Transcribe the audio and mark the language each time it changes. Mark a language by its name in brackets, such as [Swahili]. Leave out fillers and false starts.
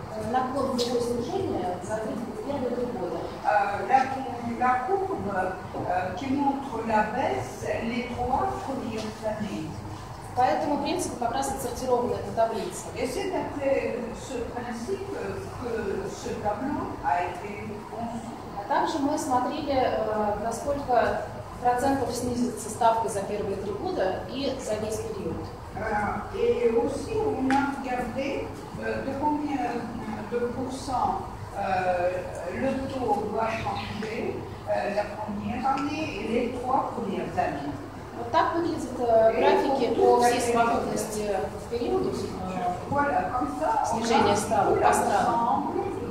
[Russian] Наклон кривой снижения за первые 3 года. [French] La courbe qui montre la baisse les 3 premières années. [Russian] По этому принципу как раз отсортирована эта таблица. [French] Et c'est après ce principe que ce tableau a été conçu. [Russian] А также мы смотрели, насколько процентов снизится ставка за первые 3 года и за весь период. [French] Et aussi on a regardé de combien de pourcent le taux va changer la première année et les 3 premières années. [Russian] Вот так выглядят графики по всей свободности в периоду снижения ставок по